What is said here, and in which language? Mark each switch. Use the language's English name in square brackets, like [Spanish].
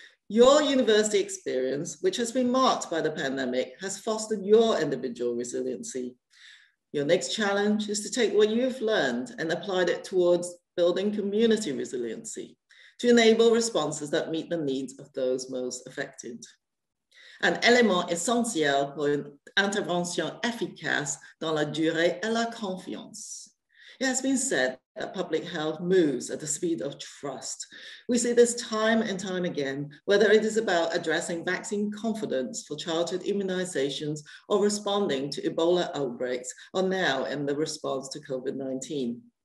[English] Your university experience, which has been marked by the pandemic, has fostered your individual resiliency. Your next challenge is to take what you've learned and apply it towards building community resiliency to enable responses that meet the needs of those most affected. [French] An élément essentiel pour une intervention efficace dans la durée est la confiance. [English] It has been said that public health moves at the speed of trust. We see this time and time again, whether it is about addressing vaccine confidence for childhood immunizations or responding to Ebola outbreaks, or now in the response to COVID-19.